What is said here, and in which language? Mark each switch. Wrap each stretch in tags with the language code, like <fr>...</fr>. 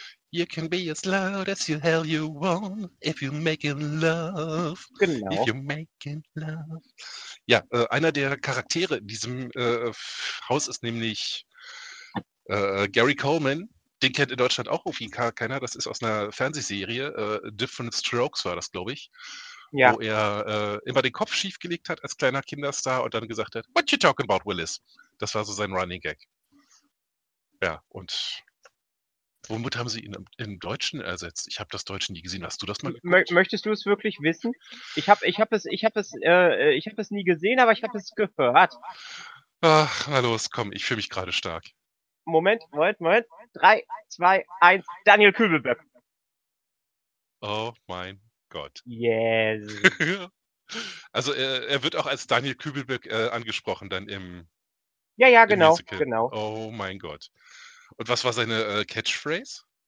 <en>You can be as loud as you hell you want, if you're making love, if</en> <de>Genau.</de> <en>you're making love.</en> <de>Ja, einer der Charaktere in diesem Haus ist nämlich Gary Coleman. Den kennt in Deutschland auch auf ihn keiner. Das ist aus einer Fernsehserie. Different Strokes war das, glaube ich. Wo Ja. er immer den Kopf schiefgelegt hat als kleiner Kinderstar und dann gesagt hat,</de> <en>What you talking about, Willis?</en> <de>Das war so sein Running Gag. Ja, und womit haben sie ihn im Deutschen ersetzt? Ich habe das Deutsche nie gesehen. Hast du das mal geguckt? Möchtest du es wirklich wissen? Ich hab es nie gesehen, aber ich habe es gehört. Ach, na los, komm, ich fühle mich gerade stark. Moment, Moment, Moment. 3, 2, 1, Daniel Kübelböck. Oh mein Gott.</de> <en>Yes.</en> <de>Also er wird auch als Daniel Kübelböck angesprochen dann Ja, im Musical. genau. Oh mein Gott. Und was war seine Catchphrase?</de>